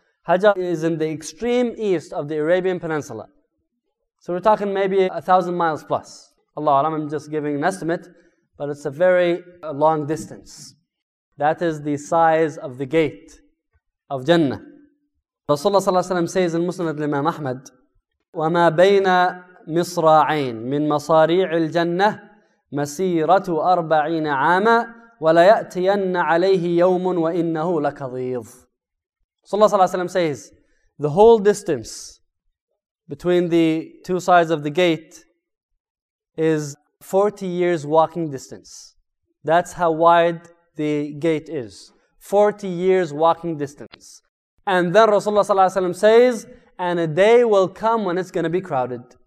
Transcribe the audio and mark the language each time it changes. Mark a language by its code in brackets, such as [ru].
[en] Hajar is in the extreme east of the Arabian Peninsula. So we're talking maybe 1,000 miles plus. Allah alam, I'm just giving an estimate, but it's a very long distance. That is the size of the gate of Jannah. [ar] Rasulullah sallallahu alayhi wa sallam says in Musnad al-Imam Ahmad, وَمَا بَيْنَا مصراعين من مصاريع الجنة مسيرة 40 عاما ولا يأتين عليه يوم وإنه لكظيظ. صلى الله عليه وسلم [en] says, the whole distance between the two sides of the gate is 40 years walking distance. That's how wide the gate is. 40 years walking distance. And then Rasulullah sallallahu alaihi wasallam says, and a day will come when it's going to be crowded.